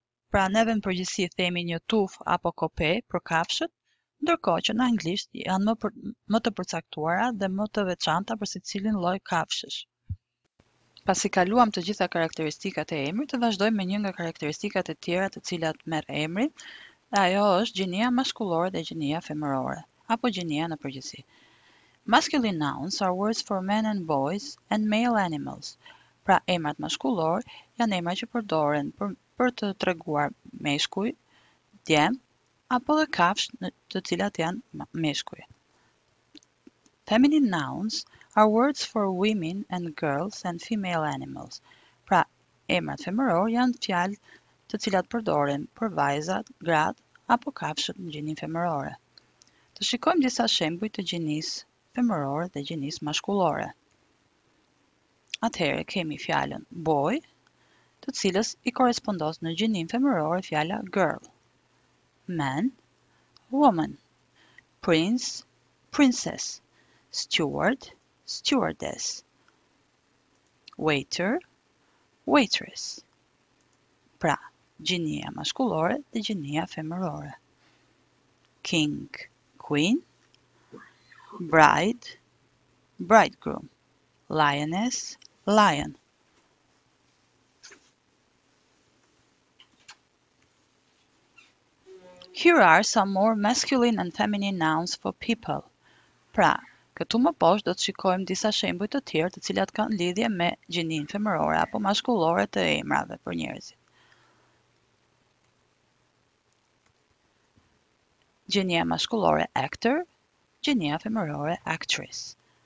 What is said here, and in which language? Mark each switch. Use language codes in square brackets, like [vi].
[sq] Pra neve në përgjithësi themi një tuf apo kope për kafshët, ndërkohë që në anglisht janë më të përcaktuara dhe më të veçanta për secilin lloj kafshësh. Pasi kaluam të gjitha karakteristikat e emrit, të vazhdojmë me një nga karakteristikat e tjera të cilat merr emrin, ajo është gjinia maskullore dhe gjinia femërore, apo gjinia në përgjithësi. [en] Masculine nouns are words for men and boys and male animals. [sq] Pra emrat maskullor janë emra që përdoren për të treguar meshkuj, djem, apo dhe kafsh në të cilat janë meshkuj. [en] Feminine nouns are words for women and girls and female animals. [sq] Pra, emrat femëror janë fjalë të cilat përdoren për vajzat, gratë, apo kafshët në gjinin femërore. Të shikojmë disa shembuj të gjinisë femërore dhe gjinisë maskullore. Atëherë kemi fjalën boy, të cilës i korespondos në gjinin femërore fjala girl. [en] Man, woman, prince, princess, steward, stewardess, waiter, waitress. [sq] Pra, gjinia maskullore dhe gjinia femërore. [en] King, queen, bride, bridegroom, lioness, lion. Here are some more masculine and feminine nouns for people. [sq] Pra, këtu më poshtë do të shikojmë disa shembuj të tjerë të cilat kanë lidhje me gjinin femërore apo maskullore të emrave për njerëzit. Gjinia maskullore [en] actor, [sq] gjinia femërore [en] actress.